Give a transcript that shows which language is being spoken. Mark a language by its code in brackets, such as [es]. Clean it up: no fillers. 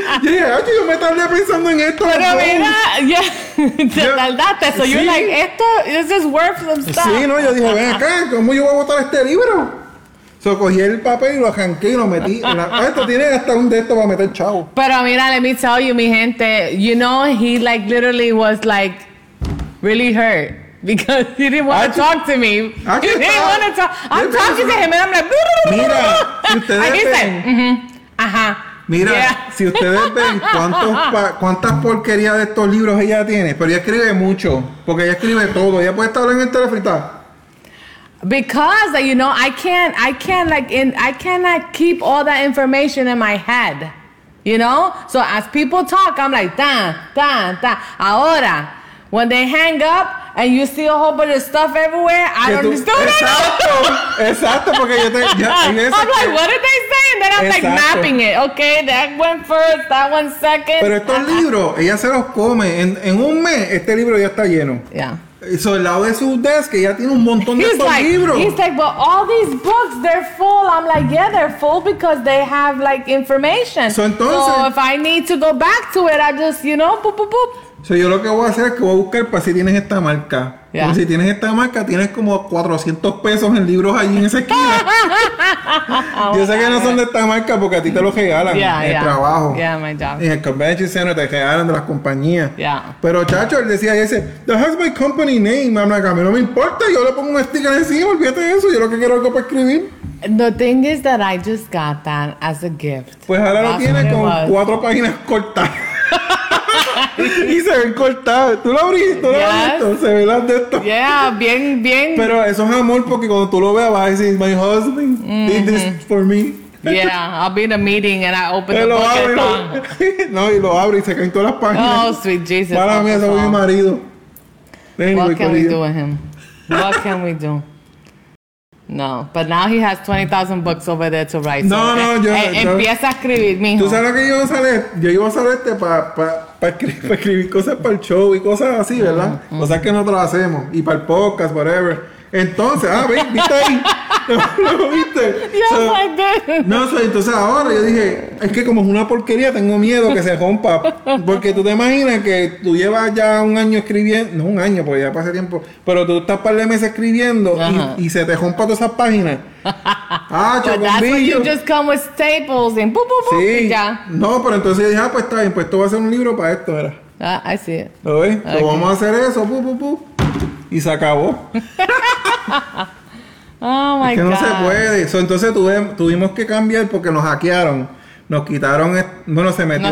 [es] Yeah, yo me tardé pensando en esto. Pero mira, ya... Te tardaste. [en] So you're like, [es] esto... [en] This is worth some stuff. [es] Sí, no, yo dije, ven acá, ¿cómo yo voy a botar este libro? So, cogí el papel y lo arranqué y lo metí. Esto tiene hasta un de estos para meter chavo. Pero mira, [en] let me tell you, [es] mi gente. [en] You know, he like literally was like really hurt. Because he didn't want to talk to me. He didn't want to talk. I'm talking to him and I'm like... [es] Mira, si ustedes ven... Ajá. Mira, si ustedes ven cuántas porquerías de estos libros ella tiene. Pero ella escribe mucho. Porque ella escribe todo. Ella puede estar hablando en el teléfono. [en] Because, you know, I cannot keep all that information in my head, you know? So as people talk, I'm like, ta. Ahora, when they hang up and you see a whole bunch of stuff everywhere, I don't understand. [es] Exacto, porque yo te... [en] I'm like, what did they say? And then I'm like mapping it. Okay, that went first, that one second. [es] Pero estos libros, ella se los come. En un mes, este libro ya está lleno. [en] Yeah. [es] So, al lado de su desk, ella tiene un montón de estos libros. [en] He's like, but all these books, they're full. I'm like, yeah, they're full because they have, like, information. [es] So, entonces, [en] so if I need to go back to it, I just, you know, boop, boop, boop. [es] So, yo lo que voy a hacer es que voy a buscar para si tienes esta marca. Yeah. Porque si tienes esta marca, tienes como 400 pesos en libros allí en esa esquina. Yo sé que no son de esta marca porque a ti te los regalan en el trabajo. [en] Yeah, my job. [es] En el convention center te regalan de las compañías. [en] Yeah. [es] Pero chacho, él decía, ese, [en] that has my company name. I'm like, [es] a mí no me importa, yo le pongo un sticker encima, olvídate de eso. Yo lo que quiero es algo para escribir. [en] The thing is that I just got that as a gift. [es] Pues ahora lo tiene con cuatro páginas cortas. Y se ven cortadas. Tú lo abriste, se ven las de esto. Yeah, bien, bien. Pero eso es amor porque cuando tú lo veas vas a decir, [en] my husband did this for me. Yeah, I'll be in a meeting and I open the book [es] abre, lo... No, y lo abre y se caen todas las páginas. [en] Oh, sweet Jesus. [es] Para mí, eso es mi marido. [en] Anyway, what can we do with him? What can we do? No, but now he has 20,000 books over there to write. No, so, no, [es] empieza a escribir, mijo. ¿Tú sabes lo que yo iba a hacer? Yo iba a hacer este para escribir cosas para el show y cosas así, ¿verdad? Mm-hmm. Cosas que nosotros hacemos. Y para el podcast, [en] whatever. [es] Entonces, ¿viste ahí? ¿Lo viste? [en] Yes, so, I did. [es] No, so, entonces ahora yo dije, es que como es una porquería, tengo miedo que se rompa. Porque tú te imaginas que tú llevas ya un año escribiendo, no un año, porque ya pasa tiempo, pero tú estás par de meses escribiendo y se te rompa todas esas páginas. Ah, [en] but that's when you just come with staples and boop, boop, boop, [es] sí. Y ya. No, pero entonces yo dije, pues está bien, pues esto va a ser un libro para esto, ¿verdad? [en] Ah, I see it. [es] ¿Lo ves? Okay. Vamos a hacer eso, boop, boop, boop. Y se acabó. [en] Oh my God. [es] Es que no [en] God. [es] Se puede. So, entonces tuvimos que cambiar porque nos hackearon. Nos quitaron. Bueno, se metió.